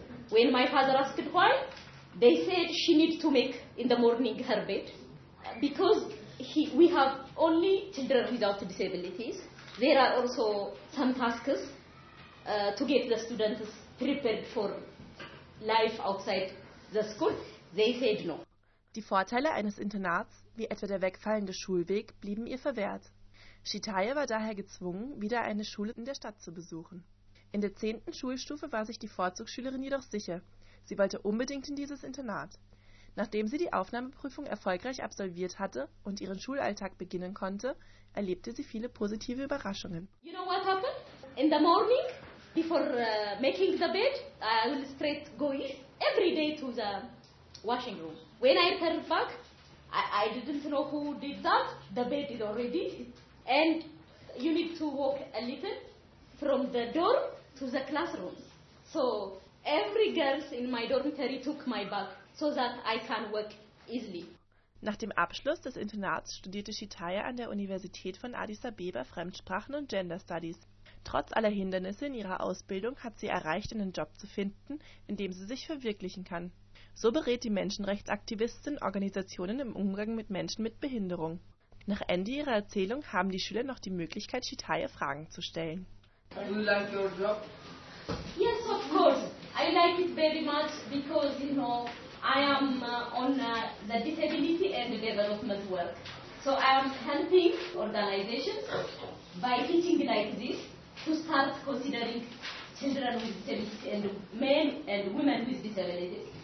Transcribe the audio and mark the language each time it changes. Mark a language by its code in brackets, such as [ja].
[en] When my father asked why, they said she needs to make in the morning her bed. Because we have only children without disabilities. There are also some tasks to get the students prepared for life outside the school. They said no. [de] Die Vorteile eines Internats, wie etwa der wegfallende Schulweg, blieben ihr verwehrt. Chitaya war daher gezwungen, wieder eine Schule in der Stadt zu besuchen. In der 10. Schulstufe war sich die Vorzugsschülerin jedoch sicher. Sie wollte unbedingt in dieses Internat. Nachdem sie die Aufnahmeprüfung erfolgreich absolviert hatte und ihren Schulalltag beginnen konnte, erlebte sie viele positive Überraschungen. [en] You know what happened? In the morning, before making the bed, I will straight go every day to the washing room. When I turned back, I didn't know who did that. The bed is already. And you need to walk a little from the dorm to the classroom. So every girl in my dormitory took my bag so that I can work easily. [de] Nach dem Abschluss des Internats studierte Shitaya an der Universität von Addis Abeba Fremdsprachen und Gender Studies. Trotz aller Hindernisse in ihrer Ausbildung hat sie erreicht, einen Job zu finden, in dem sie sich verwirklichen kann. So berät die Menschenrechtsaktivistin Organisationen im Umgang mit Menschen mit Behinderung. Nach Ende ihrer Erzählung haben die Schüler noch die Möglichkeit, Shitaya Fragen zu stellen. [en] Do you like your job? Yes, of course. I like it very much because, you know, I am on the disability and development work. So I am helping organizations by teaching like this to start considering children with disabilities and men and women with disabilities.